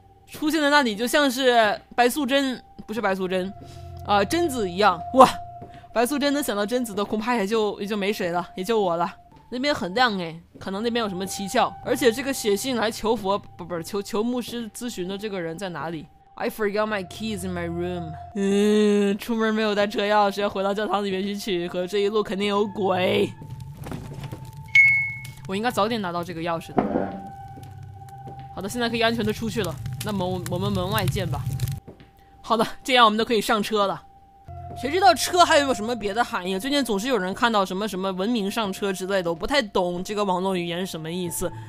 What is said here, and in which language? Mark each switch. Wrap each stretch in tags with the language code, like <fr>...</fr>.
<zh>出现在那里就像是白素贞，不是白素贞，贞子一样。哇，白素贞能想到贞子的恐怕也就没谁了，也就我了。那边很亮诶，可能那边有什么蹊跷。而且这个写信来求佛，不是求牧师咨询的这个人在哪里？</zh> <en>I forgot my keys in my room.</en> <zh>出门没有带车钥匙，要回到教堂里面去取。可这一路肯定有鬼。我应该早点拿到这个钥匙的。好的，现在可以安全的出去了。那么我们门外见吧。好的，这样我们都可以上车了。谁知道车还有没有什么别的含义？最近总是有人看到什么什么文明上车之类的，我不太懂这个网络语言是什么意思。</zh>